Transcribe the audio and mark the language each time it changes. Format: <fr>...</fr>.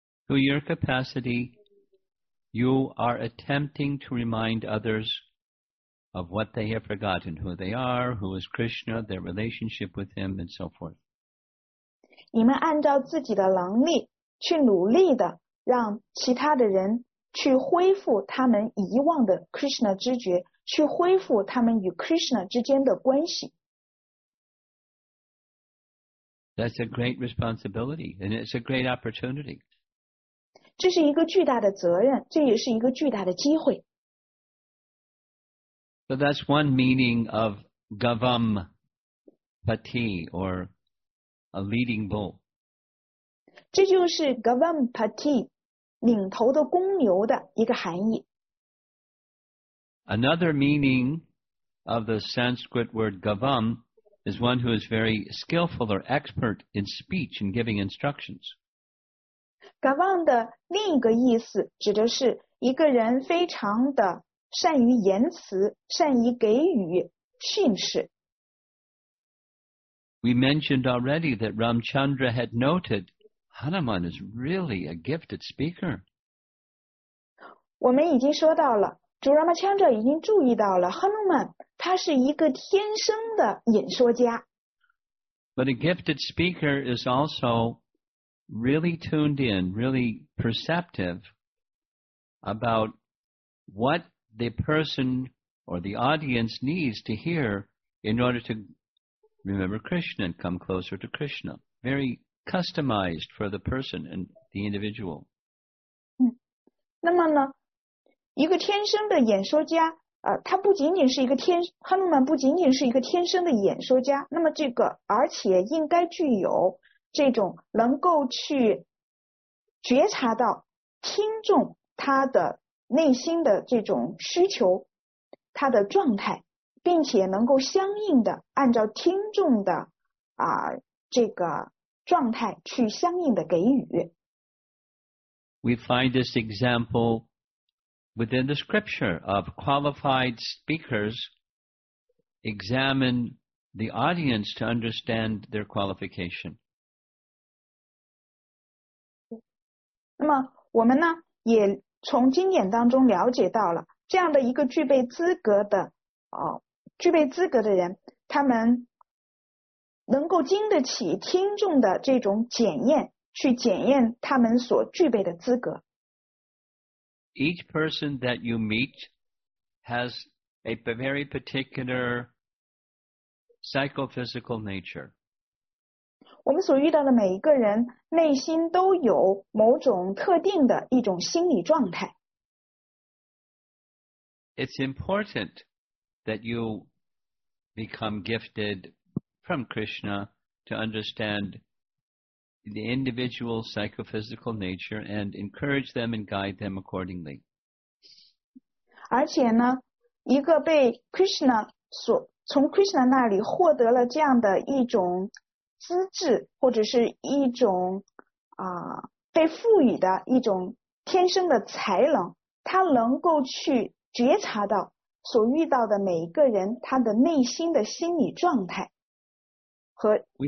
<en>To your capacity, you are attempting to remind others of what they have forgotten, who they are, who is Krishna, their relationship with him, and so forth.</en> <zh>你们按照自己的能力去努力的让其他的人去恢复他们遗忘的 Krishna 知觉，去恢复他们与 Krishna 之间的关系。</zh> <en>That's a great responsibility, and it's a great opportunity.</en> <zh>这是一个巨大的责任，这也是一个巨大的机会。</zh> <en>So that's one meaning of gavam pati, or a leading bull.</en> <zh>这就是 gavam pati, 领头的公牛的一个含义。</zh> <en>Another meaning of the Sanskrit word gavam is one who is very skillful or expert in speech and giving instructions.</en> <zh>Gavam 的另一个意思指的是一个人非常的善于言辞，善于给予训示。</zh> <en>We mentioned already that Ramchandra had noted Hanuman is really a gifted speaker.</en> <zh>我们已经说到了，主 Ramchandra 已经注意到了 Hanuman 他是一个天生的演说家。</zh> <en>But a gifted speaker is also really tuned in, really perceptive about what the person or the audience needs to hear in order to remember Krishna and come closer to Krishna. Very customized for the person and the individual.</en> <zh>那么呢，一个天生的演说家，他不仅仅是一个天，哈努曼不仅仅是一个天生的演说家，那么这个而且应该具有这种能够去觉察到听众他的内心的这种需求，他的状态，并且能够相应的按照听众的这个状态去相应的给予。</zh> <en>We find this example within the scripture of qualified speakers examine the audience to understand their qualification.</en> <zh>那么我们呢也从经典当中了解到了这样的一个具备资格的具备资格的人，他们能够经得起听众的这种检验，去检验他们所具备的资格。</zh> <en>Each person that you meet has a very particular psychophysical nature.</en> <zh>我们所遇到的每一个人内心都有某种特定的一种心理状态。</zh> <en>It's important that you become gifted from Krishna to understand the individual psychophysical nature and encourage them and guide them accordingly.</en> <zh>而且呢，一个被 Krishna 所从 Krishna 那里获得了这样的一种资质或者是一种被赋予的一种天生的才能，他能够去觉察到所遇到的每一个人他的内心的心理状态和。</zh>